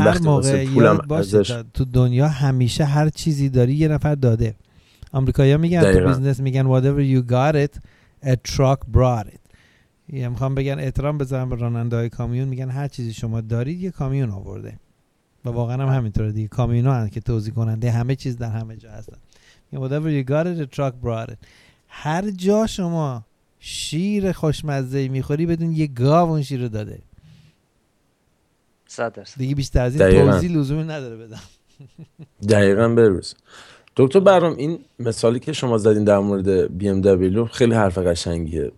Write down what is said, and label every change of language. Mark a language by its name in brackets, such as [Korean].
[Persian] هر موقع پولم ارزش تو دنیا همیشه هر چیزی داری یه نفر داده. آمریکایی‌ها میگن تو بیزنس میگن [English] whatever you got it a truck brought it. [Persian] یه میخوام بگن احترام بذارم به راننده های کامیون، میگن هر چیزی شما دارید یه کامیون آورده. و واقعا هم همینطوره دیگه، کامیون ها که توزیع کننده همه چیز در همه جا هستن. [English] whatever you got it a truck brought it. [Persian] هر جا شما شیر خوشمزه میخوری بدون یه گاو اون شیر رو داده. صد درصد. دیگه بیشتر از این توضیح لزومی نداره بدم. دقیقاً بروز. دکتر برام این مثالی که شما زدین در مورد BMW خیلی حرف قشنگیه.